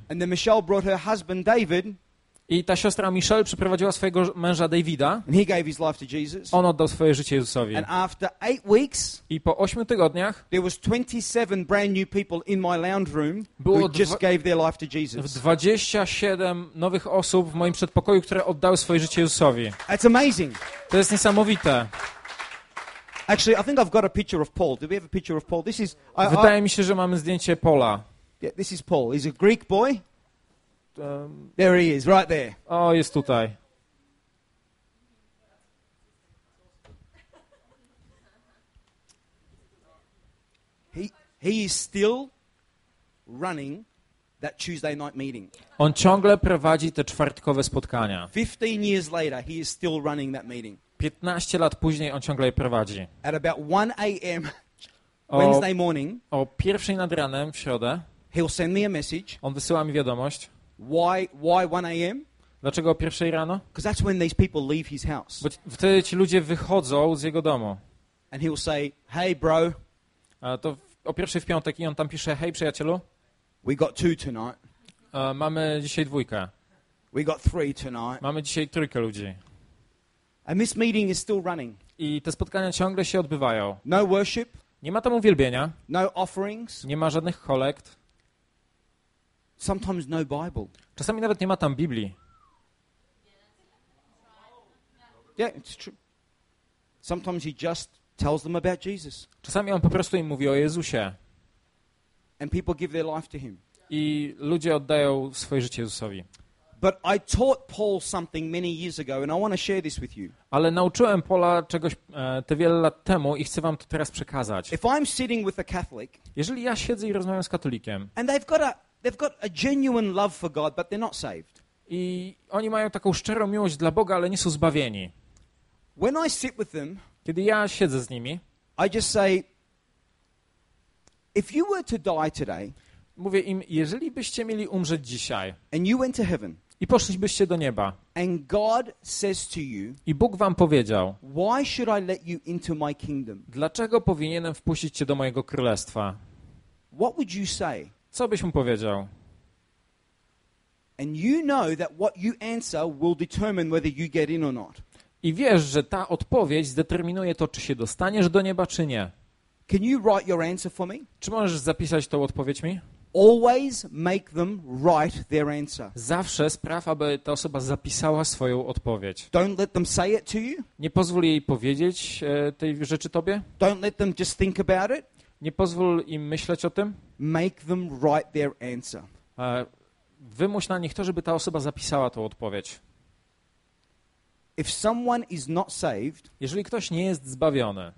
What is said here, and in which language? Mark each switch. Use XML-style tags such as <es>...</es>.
<en>And then Michelle brought her husband David.</en> <pl>I ta siostra Michelle przyprowadziła swojego męża Davida.</pl> <en>And he gave his life to Jesus.</en> <pl>On oddał swoje życie Jezusowi.</pl> <en>And after 8 weeks,</en> <pl>i po 8 tygodniach,</pl> <en>there was 27 brand new people in my lounge room who just gave their life to Jesus.</en> <pl>27 nowych osób w moim przedpokoju, które oddały swoje życie Jezusowi.</pl> <en>That's amazing.</en> <pl>To jest niesamowite.</pl> <en>Actually, I think I've got a picture of Paul. Do we have a picture of Paul? This is.</en> <pl>Wydaje mi się, że mamy zdjęcie Paula.</pl> <en>Yeah, this is Paul. He's a Greek boy. There he is, right there.</en> <pl>Oh, jest tutaj.</pl> <en>He is still running that Tuesday night meeting.</en> <pl>On ciągle prowadzi te czwartkowe spotkania.</pl> <en>15 years later, he is still running that meeting.</en> <pl>15 lat później on ciągle je prowadzi.</pl> <en>At about 1 a.m. Wednesday morning.</en> <pl>O 1 nad ranem w środę.</pl> <en>He'll send me a message.</en> <pl>On wysyła mi wiadomość.</pl> <en>Why 1 a.m.?</en> <pl>Dlaczego o 1 rano?</pl> <en>Because that's when these people leave his house.</en> <pl>Bo wtedy ci ludzie wychodzą z jego domu.</pl> <en>And he'll say, "Hey bro."</en> <pl>A to o 1 w piątek i on tam pisze: "Hej przyjacielu.</pl> <en>We got 2 tonight."</en> <pl>Mamy dzisiaj dwójkę.</pl> <en>We got 3 tonight.</en> <pl>Mamy dzisiaj trójkę ludzi.</pl> <en>And this meeting is still running.</en> <pl>I te spotkania ciągle się odbywają.</pl> <en>No worship.</en> <pl>Nie ma tam uwielbienia.</pl> <en>No offerings.</en> <pl>Nie ma żadnych kolekt.</pl> <en>Sometimes no Bible.</en> <pl>Czasami nawet nie ma tam Biblii.</pl> <en>Yeah, it's true. Sometimes he just tells them about Jesus.</en> <pl>Czasami on po prostu im mówi o Jezusie.</pl> <en>And people give their life to him.</en> <pl>I ludzie oddają swoje życie Jezusowi.</pl> <en>But I taught Paul something many years ago and I want to share this with you.</en> <pl>Ale nauczyłem Paula czegoś te wiele lat temu i chcę wam to teraz przekazać.</pl> <en>If I'm sitting with a Catholic,</en> <pl>jeżeli ja siedzę i rozmawiam z katolikiem,</pl> <en>and they've got a genuine love for God, but they're not saved.</en> <pl>I oni mają taką szczerą miłość dla Boga, ale nie są zbawieni.</pl> <en>When I sit with them,</en> <pl>kiedy ja siedzę z nimi,</pl> <en>I just say, if you were to die today,</en> <pl>mówię im, jeżeli byście mieli umrzeć dzisiaj,</pl> <en>and you went to heaven,</en> <pl>i poszlibyście do nieba,</pl> <en>and God says to you,</en> <pl>i Bóg wam powiedział,</pl> <en>why should I let you into my kingdom?</en> <pl>Dlaczego powinienem wpuścić cię do mojego królestwa?</pl> <en>What would you say?</en> <pl>Co byś mu powiedział?</pl> <en>And you know that what you answer will determine whether you get in or not.</en> <pl>I wiesz, że ta odpowiedź zdeterminuje to, czy się dostaniesz do nieba, czy nie.</pl> <en>Can you write your answer for me?</en> <pl>Czy możesz zapisać tą odpowiedź mi?</pl> <en>Always make them write their answer.</en> <pl>Zawsze spraw, aby ta osoba zapisała swoją odpowiedź.</pl> <en>Don't let them say it to you.</en> <pl>Nie pozwól jej powiedzieć tej rzeczy tobie.</pl> <en>Don't let them just think about it.</en> <pl>Nie pozwól im myśleć o tym.</pl> <en>Make them write their answer.</en> <pl>Wymuś na nich to, żeby ta osoba zapisała tą odpowiedź.</pl> <en>If someone is not saved,</en> <pl>jeżeli ktoś nie jest zbawiony,</pl>